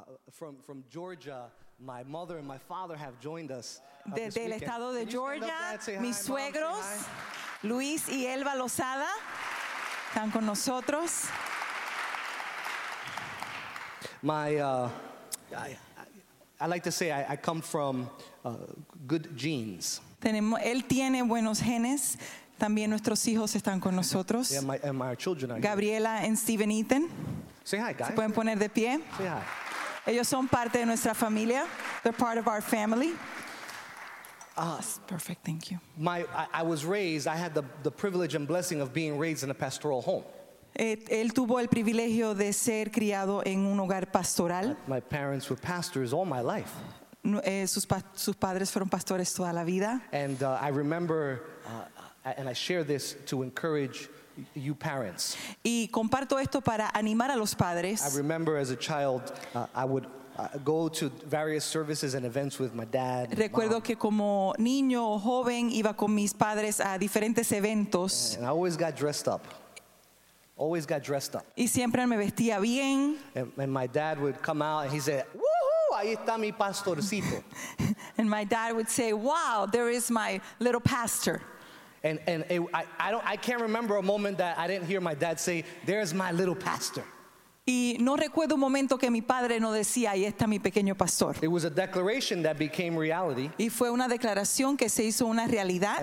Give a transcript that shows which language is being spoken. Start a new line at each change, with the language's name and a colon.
English: From Georgia, my mother and my father have joined us.
Spanish: Del estado de Georgia, mis suegros, Luis y Elba Lozada, están con nosotros.
English: I like to say I come from good genes.
Spanish: Tenemos, él tiene buenos genes. También nuestros hijos están con nosotros.
English: Yeah, my children are Gabriela here. And Steven Ethan. Say hi, guys.
Spanish: Se pueden poner de pie.
English: Say hi.
Spanish: Ellos son parte de nuestra familia.
English: They're part of our family. Perfect. Thank you. I was raised. I had the privilege and blessing of being raised in a pastoral home.
Spanish: Él tuvo el privilegio de ser criado en un hogar pastoral.
English: My parents were pastors all my life.
Spanish: Sus padres fueron pastores toda la vida.
English: And I remember, and I share this to encourage you parents.
Spanish: Y comparto esto para animar a los padres.
English: I remember as a child, I would go to various services and events with my dad and
Spanish: recuerdo
English: mom.
Spanish: Que como niño o joven iba con mis padres a diferentes eventos.
English: And I always got dressed up. Always got dressed up.
Spanish: Y siempre me vestía bien.
English: And my dad would come out and he said, "Woohoo,
Spanish: ahí está mi pastorcito."
English: And my dad would say, "Wow, there is my little pastor." And I can't remember a moment that I didn't hear my dad say, "There's my little pastor."
Spanish: Y no recuerdo un momento que mi padre no decía, "Ahí está mi pequeño pastor."
English: It was a declaration that became reality.
Spanish: Y fue una declaración que se hizo una realidad.